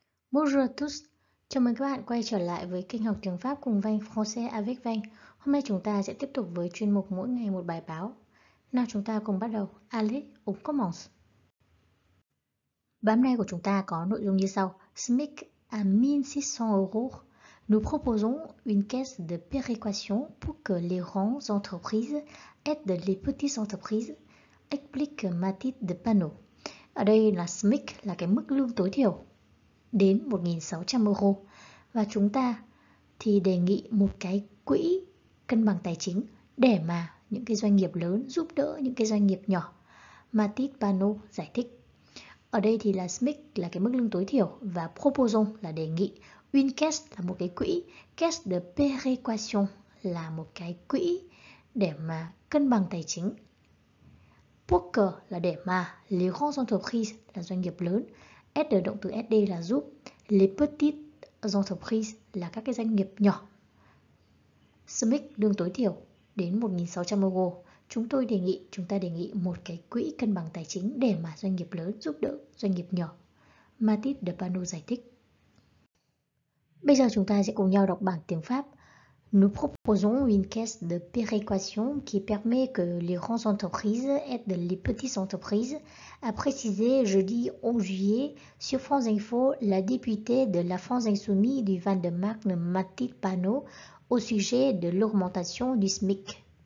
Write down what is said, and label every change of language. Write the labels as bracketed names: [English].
[French] Bonjour tous, [Vietnamese] chào mừng các bạn quay trở lại với kênh học tiếng Pháp cùng Vanh Français avec Vanh. Hôm nay chúng ta sẽ tiếp tục với chuyên mục mỗi ngày một bài báo. Nào chúng ta cùng bắt đầu. [French] Allez, on commence. [Vietnamese] Bài hôm nay của chúng ta có nội dung như sau. [French] SMIC à 1600 euros. Nous proposons une caisse de péréquation pour que les grandes entreprises aident les petites entreprises, explique Mathilde de Panot. [Vietnamese] Ở đây là SMIC, là cái mức lương tối thiểu đến 1.600 euro và chúng ta thì đề nghị một cái quỹ cân bằng tài chính để mà những cái doanh nghiệp lớn giúp đỡ những cái doanh nghiệp nhỏ. Mathilde Panot giải thích. Ở đây thì là SMIC là cái mức lương tối thiểu và proposal là đề nghị. [French] Une caisse [Vietnamese] là một cái quỹ. [French] Caisse de péréquation [Vietnamese] là một cái quỹ để mà cân bằng tài chính. [French] Pour que [Vietnamese] là để mà [French] les grandes entreprises [Vietnamese] là doanh nghiệp lớn. SD động từ SD là giúp. [French] Les petites entreprises [Vietnamese] là các cái doanh nghiệp nhỏ. SMIC lương tối thiểu đến 1.600 euro. Chúng ta đề nghị một cái quỹ cân bằng tài chính để mà doanh nghiệp lớn giúp đỡ doanh nghiệp nhỏ. Mathilde de Panot giải thích. Bây giờ chúng ta sẽ cùng nhau đọc bảng tiếng Pháp. [French] Nous proposons une caisse de péréquation qui permet que les grandes entreprises aident les petites entreprises, a précisé jeudi 11 juillet sur France Info la députée de la France Insoumise du Val-de-Marne Mathilde Panot au sujet de l'augmentation du SMIC.